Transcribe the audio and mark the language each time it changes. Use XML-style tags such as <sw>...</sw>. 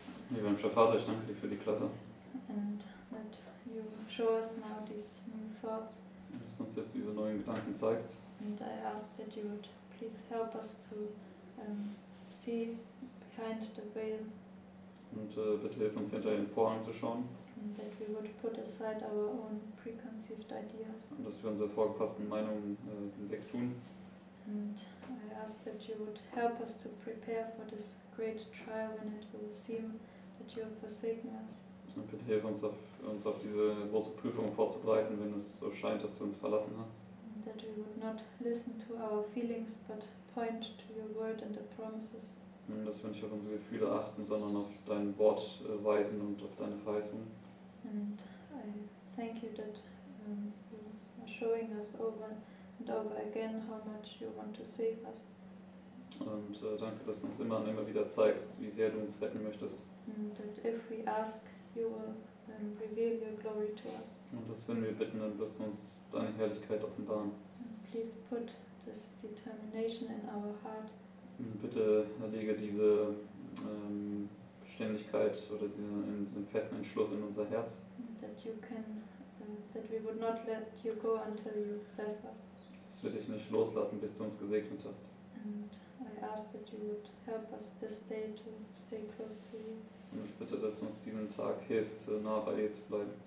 <de>Lieber himmlischer Vater, ich danke dir für die Klasse.</de> <en>And that you show us now these new thoughts.</en> <de>Dass du uns jetzt diese neuen Gedanken zeigst.</de> <en>And I ask that you would please help us to see behind the veil.</en> <de>Und bitte hilf uns, hinter den Vorhang zu schauen.</de> <en>And that we would put aside our own preconceived ideas.</en> <de>Und dass wir unsere vorgefassten Meinungen hinwegtun.</de> <en>And I ask that you would help us to prepare for this great trial when it will seem that you have forsaken us.</en> <de>Und bitte hilf uns auf diese große Prüfung vorzubereiten, wenn es so scheint, dass du uns verlassen hast.</de> <en>And that we would not listen to our feelings, but point to your word and the promises.</en> <de>Und dass wir nicht auf unsere Gefühle achten, sondern auf dein Wort weisen und auf deine Verheißung.</de> <en>And I thank you that you are showing us over and over again how much you want to save us.</en> <de>Und danke, dass du uns immer und immer wieder zeigst, wie sehr du uns retten möchtest.</de> <en>And that if we ask, you will reveal your glory to us.</en> <de>Und dass wenn wir bitten, dann wirst du uns deine Herrlichkeit offenbaren.</de> <en>And please put this determination in our heart.</en> <de>Und bitte lege diese Beständigkeit oder diesen festen Entschluss in unser Herz.</de> <en>That you can, that we would not let you go until you bless us.</en> <de>Ich will dich nicht loslassen, bis du uns gesegnet hast. Und ich bitte, dass du uns diesen Tag hilfst, nah bei dir zu bleiben.</de>